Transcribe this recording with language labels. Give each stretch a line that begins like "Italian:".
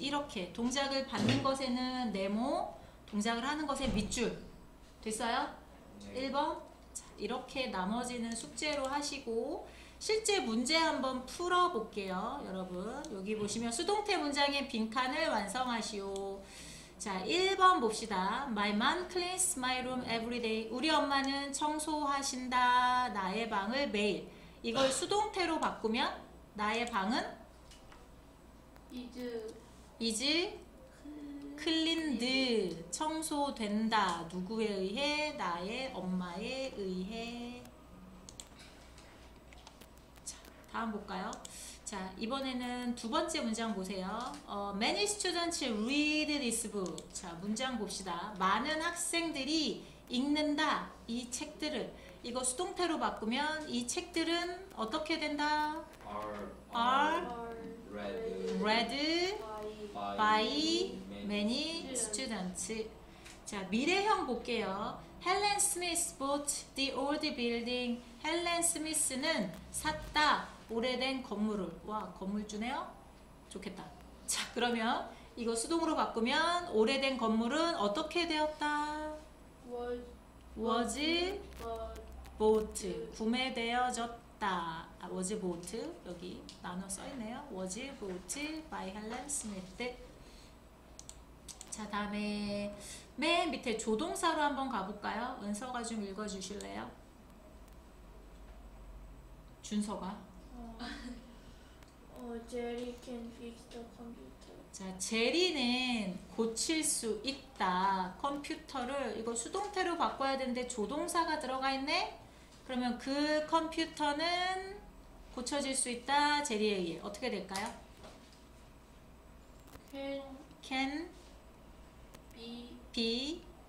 Korean: 이렇게 동작을 받는 것에는 네모, 동작을 하는 것에 밑줄. 됐어요? 1번. 자, 이렇게 나머지는 숙제로 하시고 실제 문제 한번 풀어 볼게요, 여러분. 여기 보시면 수동태 문장의 빈칸을 완성하시오. 자, 1번 봅시다.
English: My mom cleans my room every day.
Korean: 우리 엄마는 청소하신다. 나의 방을 매일. 이걸 수동태로 바꾸면 나의 방은 이제 클린드, 청소된다. 누구에 의해? 나의 엄마에 의해. 다음 볼까요? 자, 이번에는 두 번째 문장 보세요.
English: Many students read this book.
Korean: 자, 문장 봅시다. 많은 학생들이 읽는다. 이 책들을. 이거 수동태로 바꾸면 이 책들은 어떻게 된다?
English: Are read by many students.
Korean: 자, 미래형 볼게요.
English: Helen Smith bought the old building.
Korean: Helen Smith는 샀다. 오래된 건물을. 와, 건물 주네요? 좋겠다. 자, 그러면 이거 수동으로 바꾸면 오래된 건물은 어떻게 되었다?
English: Was bought.
Korean: 구매되어졌다.
English: Was bought.
Korean: 여기 나눠 써있네요.
English: Was bought by Helen Smith.
Korean: 자, 다음에 맨 밑에 조동사로 한번 가볼까요? 은서가 좀 읽어주실래요? 준서가.
English: 제리 can fix the computer.
Korean: 자, 제리는 고칠 수 있다. 컴퓨터를 이거 수동태로 바꿔야 되는데 조동사가 들어가 있네? 그러면 그 컴퓨터는 고쳐질 수 있다. 제리에 의해. 어떻게 될까요?
English: Can be